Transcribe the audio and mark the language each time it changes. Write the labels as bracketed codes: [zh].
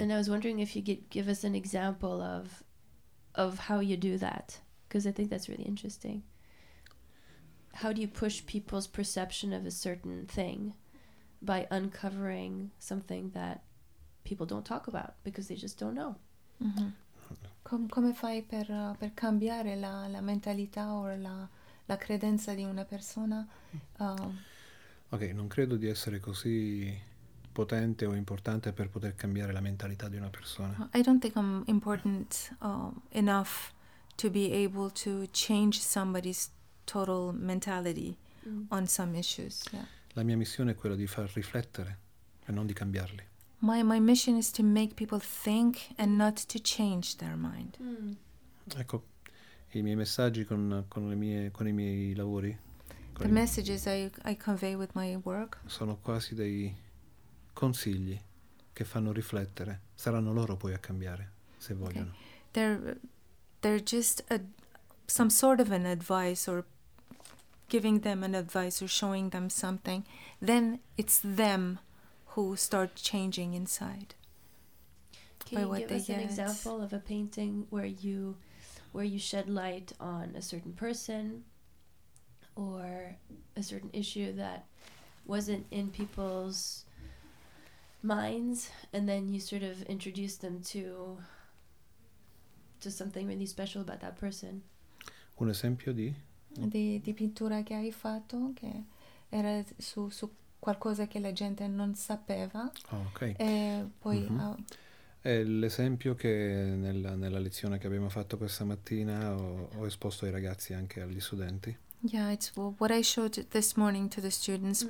[en] And I was wondering if you could give us an example of how you do that, because I think that's really interesting. How do you push people's perception of a certain thing? By uncovering something that people don't talk about because they just don't know. Mm-hmm. [it] Come fai per cambiare la mentalità o la credenza di una persona? Ok, non credo di essere così potente o importante per poter cambiare la mentalità di una persona. [en] I don't think I'm important enough to be able to change somebody's total mentality mm-hmm. on some issues. Yeah. [it] La mia missione è quella di far riflettere e non di cambiarli. [en] My mission is to make people think and not to change their mind. Mm. [it] Ecco, i miei messaggi con i miei lavori. [en] The messages I convey with my work. [it] Sono quasi dei consigli che fanno riflettere. Saranno loro poi a cambiare, se vogliono. [en] Okay. They're just some sort of an advice or giving them an advice or showing them something, then it's them who start changing inside. Can you give us an example of a painting where you shed light on a certain person or a certain issue that wasn't in people's minds, and then you sort of introduce them to something really special about that person? [it] Un esempio di? Di pittura che hai fatto che era su qualcosa che la gente non sapeva. [en] Okay. [it] E poi mm-hmm. È l'esempio che nella lezione che abbiamo fatto questa mattina ho esposto ai ragazzi, anche agli studenti. [en] Yeah, it's what I showed this morning to the students mm-hmm.